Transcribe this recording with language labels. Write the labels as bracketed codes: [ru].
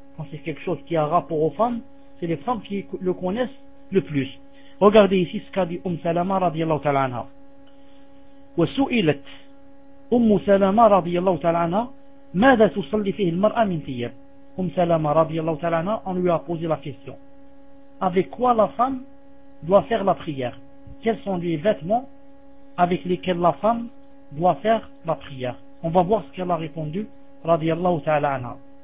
[fr] Quand c'est quelque chose qui a rapport aux femmes, c'est les femmes qui le connaissent le plus. Regardez ici ce qu'a dit Salama radiallahu ta'ala anha. [ar] وسئلت أم سلمة رضي الله تعالى عنها ماذا تصلي فيه المرأة من ثياب؟ أم سلمة رضي الله تعالى عنها [fr] on lui a posé la question. Avec quoi la femme doit faire la prière? Quels sont les vêtements avec lesquels la femme doit faire la prière? On va voir ce qu'elle a répondu [ar] رضي الله تعالى عنها.